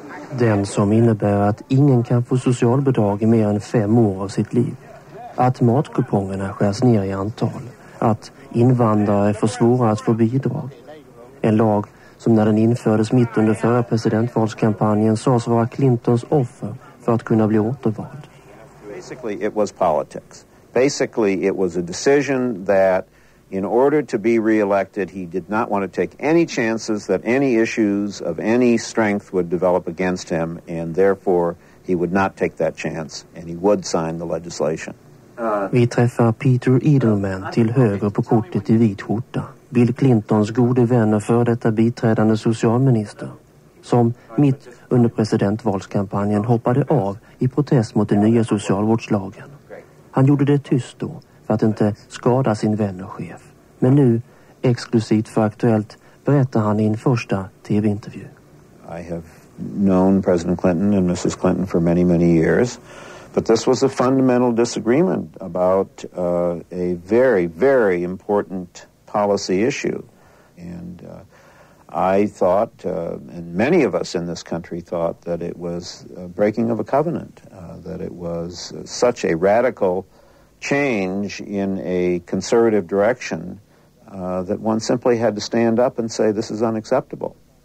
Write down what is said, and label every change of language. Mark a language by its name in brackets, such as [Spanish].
[Swedish] Den som innebär att ingen kan få socialbidrag i mer än 5 år av sitt liv. Att matkupongerna skärs ner i antal. Att invandrare får svårare att få bidrag. En lag som när den infördes mitt under förra presidentvalskampanjen sades vara Clintons offer för att kunna bli återvald. [English] Basically it was politics. Basically it was a decision that in order to be re-elected he did not want to take any chances that any issues of any strength would develop against him, and therefore he would not take that chance and he would sign the legislation. [Swedish] Vi träffar Peter Edelman till höger på kortet i vit skjorta. Bill Clintons gode vän och för detta biträdande socialminister. Som mitt under presidentvalskampanjen hoppade av i protest mot den nya socialvårdslagen. Han gjorde det tyst då för att inte skada sin vän och chef. Men nu, exklusivt för Aktuellt, berättar han i en första tv-intervju. [English] I have known President Clinton and Mrs. Clinton for many, many years. But this was a fundamental disagreement about a very, very important policy issue. And I thought, and many of us in this country thought, that it was a breaking of a covenant, that it was such a radical change in a conservative direction that one simply had to stand up and say, this is unacceptable.